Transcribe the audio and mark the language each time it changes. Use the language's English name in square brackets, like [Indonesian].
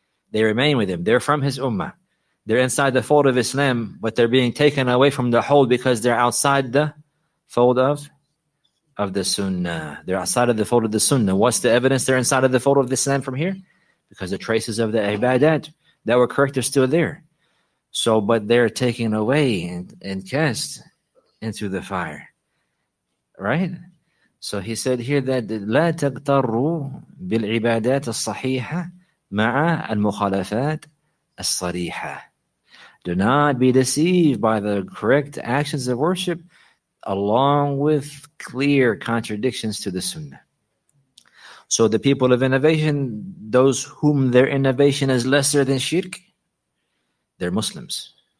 [English] They're from his ummah. They're inside the fold of Islam, but they're being taken away from the hold because they're outside the fold of the sunnah. They're outside of the fold of the sunnah. What's the evidence they're inside of the fold of Islam from here? Because the traces of the ibadat that were correct are still there. So, but they're taken away and cast into the fire. Right? So he said here that [Arabic] لَا تَقْتَرُوا بِالْعِبَادَاتِ الصَّحِيحَةِ مَعَ الْمُخَالَفَاتِ الصَّرِيحَةِ. [English] Do not be deceived by the correct actions of worship along with clear contradictions to the sunnah. So the people of innovation, those whom their innovation is lesser than shirk, they're Muslims.